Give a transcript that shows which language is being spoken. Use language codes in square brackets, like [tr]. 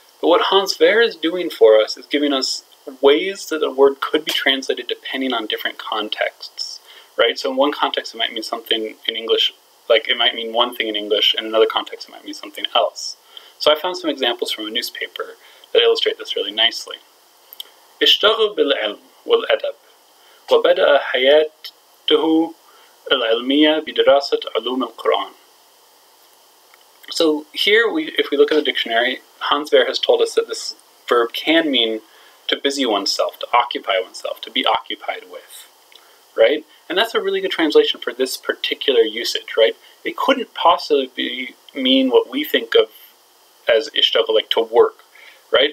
[en] But what Hans Wehr is doing for us is giving us ways that a word could be translated depending on different contexts, right? So in one context, it might mean something in English, like it might mean one thing in English, and in another context, it might mean something else. So I found some examples from a newspaper that illustrate this really nicely. [ar] اشتغل بالعلم والأدب وبدأ حياته العلمية بدراسة علوم القرآن. [en] So here, if we look at the dictionary, Hans Wehr has told us that this verb can mean to busy oneself, to occupy oneself, to be occupied with, right? And that's a really good translation for this particular usage, right? It couldn't possibly mean what we think of as اشتغل, like to work. Right?